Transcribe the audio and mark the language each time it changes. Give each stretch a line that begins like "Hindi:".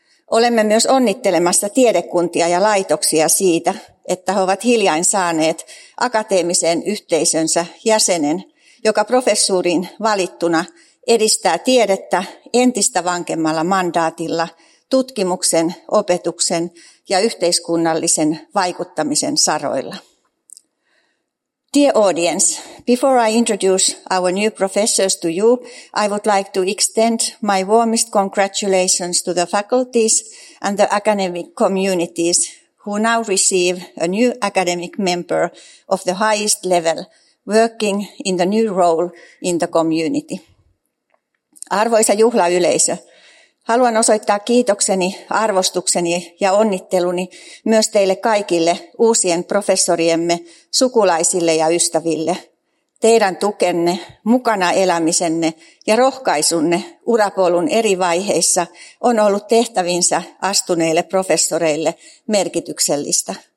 Finnish: Olemme myös onnittelemassa tiedekuntia ja laitoksia siitä, että he ovat hiljain saaneet akateemiseen yhteisönsä jäsenen, joka professuuriin valittuna edistää tiedettä entistä vankemmalla mandaatilla tutkimuksen, opetuksen ja yhteiskunnallisen vaikuttamisen saroilla.
English: Dear audience, before I introduce our new professors to you, I would like to extend my warmest congratulations to the faculties and the academic communities who now receive a new academic member of the highest level working in the new role in the community.
Finnish: Arvoisa juhlayleisö, haluan osoittaa kiitokseni, arvostukseni ja onnitteluni myös teille kaikille uusien professoriemme, sukulaisille ja ystäville. Teidän tukenne, mukana elämisenne ja rohkaisunne urapolun eri vaiheissa on ollut tehtävinsä astuneille professoreille merkityksellistä.